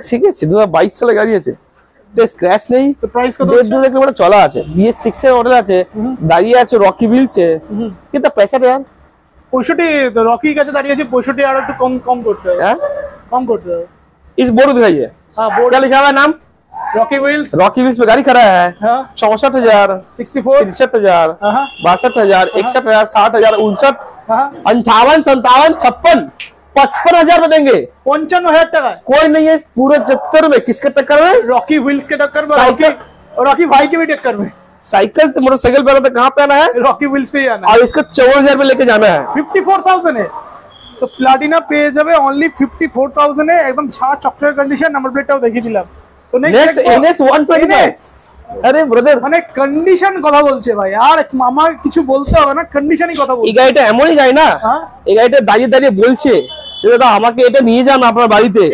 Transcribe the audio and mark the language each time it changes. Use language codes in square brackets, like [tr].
[bn] ঠিক আছে 2022 সালে গাড়ি আছে তো স্ক্র্যাচ নেই তো প্রাইস কত আছে 2 লক্ষ চলা আছে BS6 এর মডেল আছে দাঁড়িয়ে আছে রকি বিলসে কিন্তু পেছাতে আছে 65 রকি কাছে দাঁড়িয়ে আছে 65 আর একটু কম কম করতে হবে। হ্যাঁ কম করতে হবে [hi] इस बोर्ड दिखाई है। हाँ बोर्ड क्या लिखा हुआ है नाम? Rocky wheels. रॉकी व्हील्स पे गाड़ी खड़ा है। हाँ 64,000 64 63,000 62,000 61,000 60,000 59 58 57 56 55,000 रुपए देंगे। 55,000 टका कोई नहीं है इस पूरे जत्तर में। किसके टक्कर में? रॉकी व्हील्स के टक्कर में। रॉकी रॉकी भाई के भी टक्कर में। साइकिल से मोटरसाइकिल पे कहाँ पे आना है? रॉकी व्हील्स पे आना है और इसका 54,000 रुपए लेके जाना है। [bn] 54,000 है তো প্লাটিনা পেয়ে যাবে অনলি 54,000 এ একদম ছা চকচকে কন্ডিশন নাম্বার প্লেটটাও দেখিয়ে দিলাম তো নেক্সট NS125 আরে ব্রাদার মানে কন্ডিশন কথা বলছে ভাই আর মামা কিছু বলতে হবে না কন্ডিশনই কথা বলছে এই গাড়িটা এমনই গাই না এই গাড়িটা দাঁড়িয়ে দাঁড়িয়ে বলছে দাদা আমাকে এটা নিয়ে যান আপনার বাড়িতে